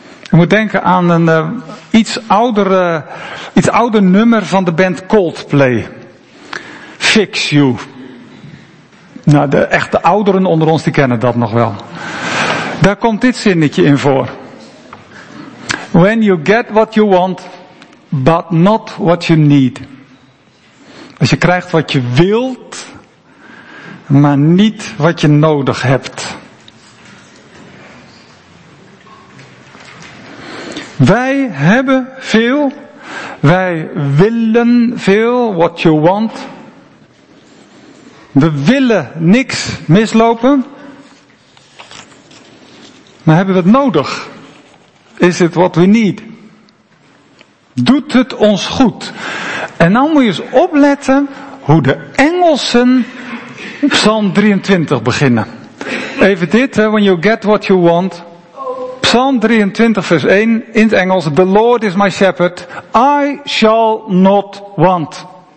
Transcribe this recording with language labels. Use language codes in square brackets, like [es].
[nl] Je moet denken aan een iets ouder nummer van de band Coldplay. Fix You. Nou, de echte ouderen onder ons die kennen dat nog wel. Daar komt dit zinnetje in voor. [en] When you get what you want, but not what you need. [nl] Als je krijgt wat je wilt, maar niet wat je nodig hebt. Wij hebben veel. Wij willen veel. [en] What you want. [nl] We willen niks mislopen. Maar hebben we het nodig? [en] Is it what we need? [nl] Doet het ons goed? En nou moet je eens opletten hoe de Engelsen Psalm 23 beginnen. Even dit, [en] when you get what you want. [nl] Psalm 23 vers 1 in het Engels. [en] The Lord is my shepherd, I shall not want.